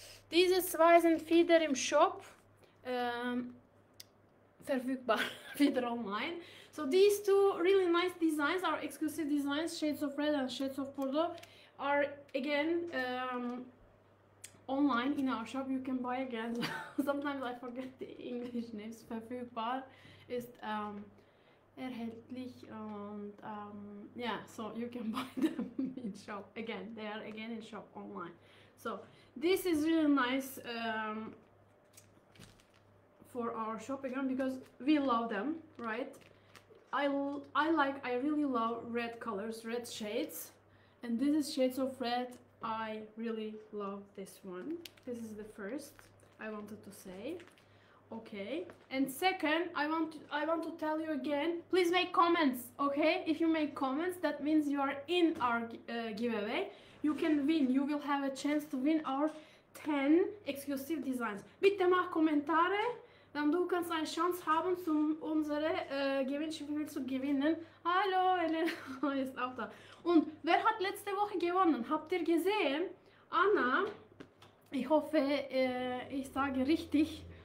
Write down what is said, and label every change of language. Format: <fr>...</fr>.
<de>Diese zwei sind wieder im Shop verfügbar, wieder online.</de> <en>So, these two really nice designs, our exclusive designs, Shades of Red and Shades of Bordeaux, are again online in our shop, you can buy again. Sometimes I forget the English names.</en> <de>Verfügbar ist erhältlich und</de> <en>yeah, so you can buy them in shop again. They are again in shop online. So this is really nice for our shop again because we love them, right? I really love red colors, red shades, and this is shades of red. I really love this one. This is the first I wanted to say. Okay, and second, I want to tell you again, please make comments, okay? If you make comments, that means you are in our giveaway. You can win, you will have a chance to win our 10 exclusive designs.</en> <de>Bitte mach Kommentare, dann du kannst eine Chance haben, zum unsere Gewinnspiel zu gewinnen. Hallo, Elena ist auch da. Und wer hat letzte Woche gewonnen? Habt ihr gesehen? Anna, ich hoffe, ich sage richtig.</de>